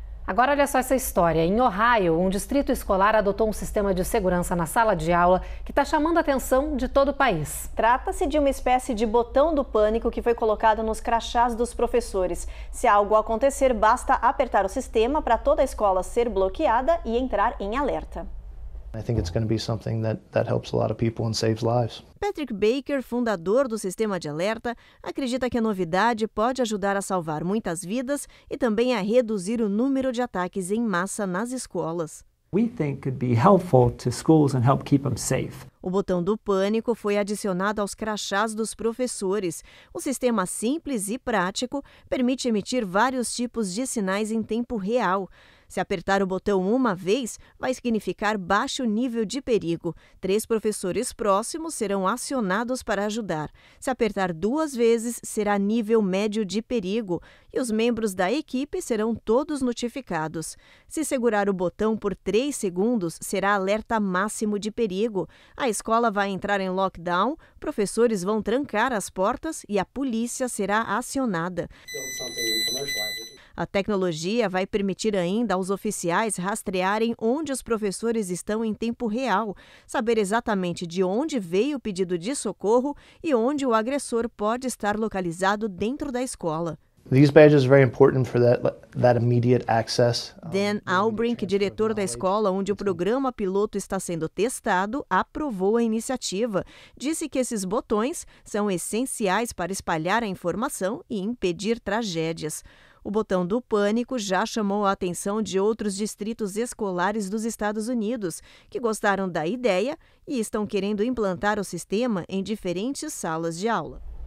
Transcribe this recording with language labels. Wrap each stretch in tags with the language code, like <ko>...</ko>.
<pt>Agora olha só essa história. Em Ohio, um distrito escolar adotou um sistema de segurança na sala de aula que está chamando a atenção de todo o país. Trata-se de uma espécie de botão do pânico que foi colocado nos crachás dos professores. Se algo acontecer, basta apertar o sistema para toda a escola ser bloqueada e entrar em alerta.</pt> <en>I think it's going to be something that helps a lot of people and saves lives.</en> <pt>Patrick Baker, fundador do sistema de alerta, acredita que a novidade pode ajudar a salvar muitas vidas e também a reduzir o número de ataques em massa nas escolas.</pt> <en>We think it could be helpful to schools and help keep them safe.</en> <pt>O botão do pânico foi adicionado aos crachás dos professores. Um sistema simples e prático permite emitir vários tipos de sinais em tempo real. Se apertar o botão uma vez, vai significar baixo nível de perigo. Três professores próximos serão acionados para ajudar. Se apertar duas vezes, será nível médio de perigo. E os membros da equipe serão todos notificados. Se segurar o botão por 3 segundos, será alerta máximo de perigo. A escola vai entrar em lockdown, professores vão trancar as portas e a polícia será acionada. A tecnologia vai permitir ainda aos oficiais rastrearem onde os professores estão em tempo real, saber exatamente de onde veio o pedido de socorro e onde o agressor pode estar localizado dentro da escola.</pt> <en>These badges are very important for that immediate access.</en> <pt>Dan Albrink, diretor da escola onde o programa piloto está sendo testado, aprovou a iniciativa. Disse que esses botões são essenciais para espalhar a informação e impedir tragédias. O botão do pânico já chamou a atenção de outros distritos escolares dos Estados Unidos, que gostaram da ideia e estão querendo implantar o sistema em diferentes salas de aula.</pt>